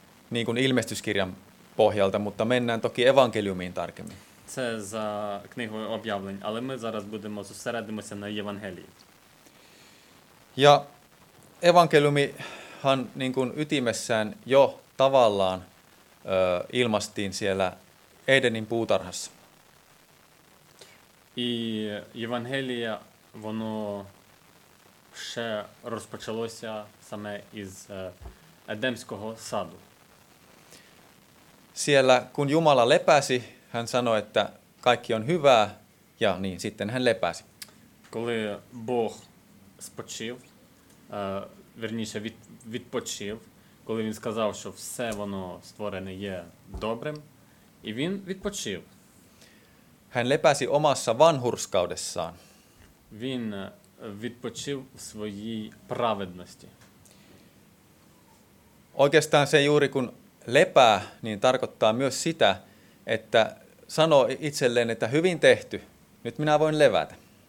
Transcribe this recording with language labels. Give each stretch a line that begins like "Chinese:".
Finnish: Niin kuin ilmestyskirjan pohjalta, mutta mennään toki evankeliumiin tarkemmin.
Ukrainian: Це за книгою об'явлень, але ми зараз будемо зосередимося на Євангелії.
Finnish: Ja evankeliumihan niin kuin ytimessään jo tavallaan ilmastiin siellä Edenin puutarhassa.
Ukrainian: І Євангелія воно ще розпочалося саме із Едемського саду.
Finnish: Siellä, kun Jumala lepäsi, hän sanoi, että kaikki on hyvää, ja niin, sitten hän lepäsi.
Ukrainian: Коли Бог спочив, верніше, відпочив, коли він сказав, що все воно створене є добрим, і він відпочив.
Finnish: Hän lepäsi omassa vanhurskaudessaan.
Ukrainian: Він відпочив в своїй праведності.
Finnish: Oikeastaan se juuri kun lepää, niin tarkoittaa myös sitä, että sanoo itselleen, että hyvin tehty, nyt minä voin levätä.